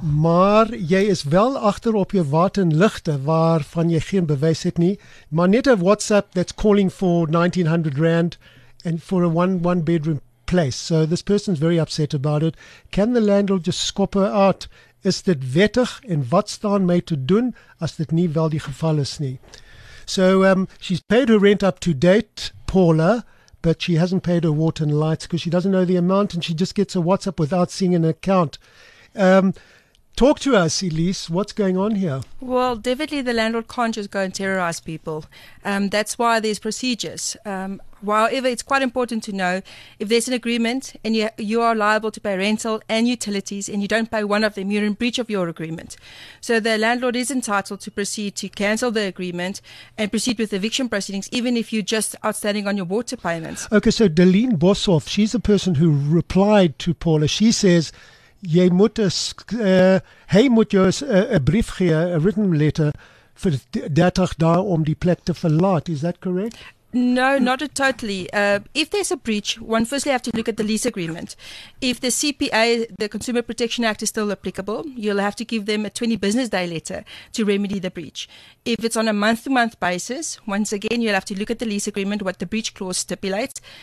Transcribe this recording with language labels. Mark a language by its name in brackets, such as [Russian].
[Afrikaans] Maar jy is wel agter op jou water en ligte, waarvan jy geen bewys het nie. Maar net [English] a WhatsApp that's calling for 1900 rand and for a one bedroom place. So this person's very upset about it. Can the landlord just scop her out? [Afrikaans] Is dit wettig en wat staan my te doen as dit nie wel die geval is nie? [English] So she's paid her rent up to date, Paula, but she hasn't paid her water and lights because she doesn't know the amount and she just gets a WhatsApp without seeing an account. Talk to us, Elise. What's going on here? Well, definitely the landlord can't just go and terrorize people. That's why there's procedures. However, it's quite important to know if there's an agreement and you are liable to pay rental and utilities and you don't pay one of them, you're in breach of your agreement. So the landlord is entitled to proceed to cancel the agreement and proceed with eviction proceedings, even if you're just outstanding on your water payments. Okay, so Deline Bosshoff, she's the person who replied to Paula. She says, [Afrikaans] jy moet jy moet jou 'n brief gee, 'n [English] written letter [Afrikaans] vir 30 dae om die plek te verlaat. [English] Is that correct? No, not totally. If there's a breach, one firstly have to look at the lease agreement. If the CPA, the Consumer Protection Act, is still applicable, you'll have to give them a 20 business day letter to remedy the breach. If it's on a month-to-month basis, once again, you'll have to look at the lease agreement, what the breach clause stipulates.